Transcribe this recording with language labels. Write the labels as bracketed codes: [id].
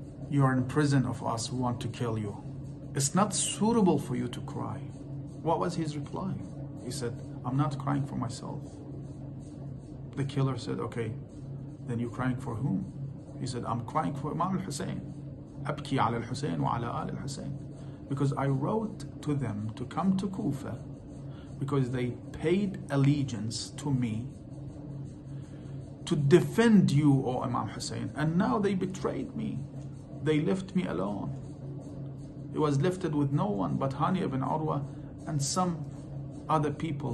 [en] You are in prison of us who want to kill you. It's not suitable for you to cry. What was his reply? He said, I'm not crying for myself. The killer said, okay, then you're crying for whom? He said, I'm crying for Imam al-Hussein. [ar] أبكي على الحسين وعلى آل الحسين. [en] Because I wrote to them to come to Kufa because they paid allegiance to me to defend you, O Imam Hussein. And now they betrayed me. They left me alone. He was left with no one but Hani ibn Urwa and some other people.